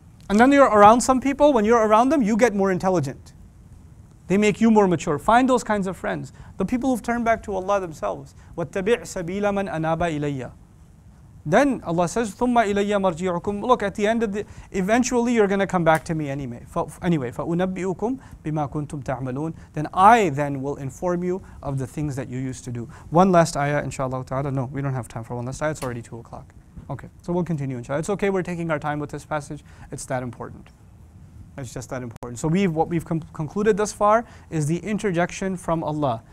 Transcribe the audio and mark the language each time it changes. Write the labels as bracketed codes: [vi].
[en] And then you're around some people, when you're around them, you get more intelligent. They make you more mature. Find those kinds of friends. The people who've turned back to Allah themselves. [ar] وَاتَّبِعْ سَبِيلَ مَنْ أَنَابَ إِلَيَّ. [en] Then Allah says, [ar] ثُمَّ إِلَيَّ مَرْجِعُكُمْ. [en] Look, at the end of the, eventually you're going to come back to me anyway. Anyway, [ar] فَأُنَبِّئُكُمْ بِمَا كُنْتُمْ تَعْمَلُونَ. [en] Then I then will inform you of the things that you used to do. One last ayah, inshallah ta'ala. No, we don't have time for one last ayah. It's already 2:00. Okay, so we'll continue, inshallah. It's okay, we're taking our time with this passage. It's that important. It's just that important. So what we've concluded thus far is the interjection from Allah.